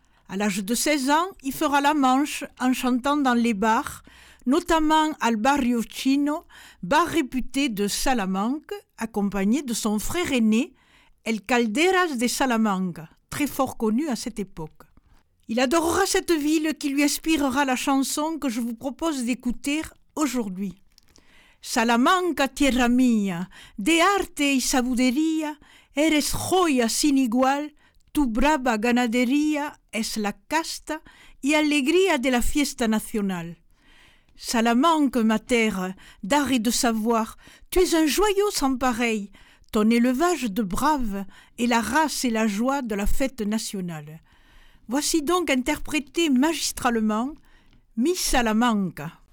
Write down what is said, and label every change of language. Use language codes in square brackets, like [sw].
[fr] À l'âge de 16 ans, il fera la manche en chantant dans les bars, notamment al Barrio Chino, bar réputé de Salamanque, accompagné de son frère aîné, El Calderas de Salamanque, très fort connu à cette époque. Il adorera cette ville qui lui inspirera la chanson que je vous propose d'écouter aujourd'hui. [es] Salamanca, tierra mía, de arte y sabiduría, eres joya sin igual, tu brava ganadería es la casta y alegría de la fiesta nacional. [fr] Salamanque, ma terre, d'art et de savoir, tu es un joyau sans pareil, ton élevage de braves est la race et la joie de la fête nationale. Voici donc interprété magistralement Mi Salamanca.